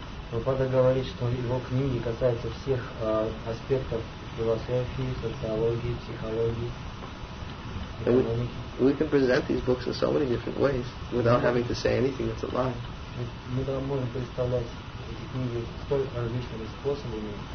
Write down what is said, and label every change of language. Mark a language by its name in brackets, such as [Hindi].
[Russian] Prabhupada говорит, что его книги касаются всех аспектов философии, социологии, психологии. [English] We can present these books in so many different ways without having to say anything that's a lie. [Russian] Мы можем представлять эти книги столь различными способами.